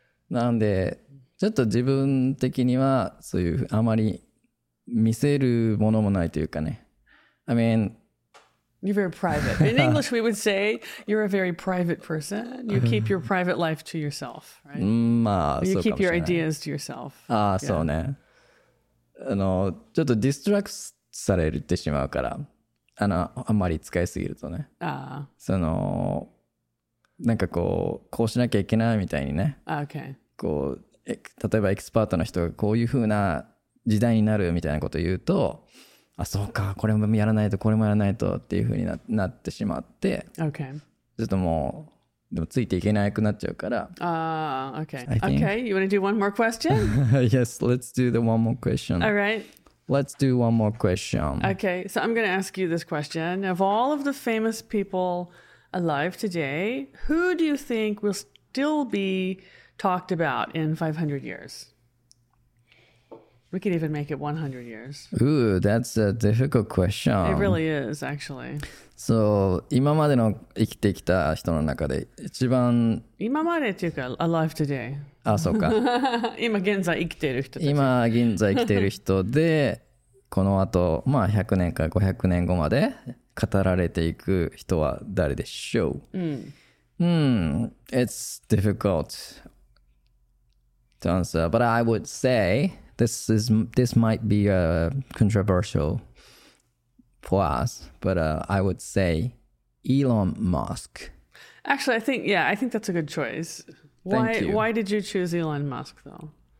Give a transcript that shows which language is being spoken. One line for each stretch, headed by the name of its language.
Japanese: なんでちょっと自分的にはそういうあまり見せるものもないというかね。
English: I mean, you're very private. In English, we would say you're a very private person. You keep your private life to yourself, right?
Japanese: まあ、そうかもしれない。
English: You keep your ideas to yourself.
Japanese: ああ、そうね。あの、ちょっとディストラクトされてしまうから、あの、あんまり使いすぎるとね。ああ。その、なんかこう、こうしなきゃいけないみたいにね。
English: Okay.
Japanese: こう、例えばエキスパートの人がこういう風な時代になるみたいなことを言うと、あ、そうか、これもやらないとこれもやらないとっていう風になってしまって、
English: okay.
Japanese: ちょっともうでもついていけなくなっちゃうから、
English: Okay, you want to do one more question? Yes, let's do the one more question. All right. Let's do one more question. Okay, so I'm going to ask you this question. Of all of the famous people alive today, who do you think will still be talked about in 500 years? We could even make it 100 years. Ooh, that's a difficult question. It really is, actually.
Japanese: So, 今までの生きてきた人の中で一番今までっていうか
English: alive today.
Japanese: あ、そうか。今現在生きている人たち。今現在生きている人でこの後、まあ100年か500年後まで語られていく人は誰でしょう？
English: It's difficult to answer, but I would say this might be controversial for us, but I would say Elon Musk. Actually, I think that's a good choice. Why did you choose Elon Musk though?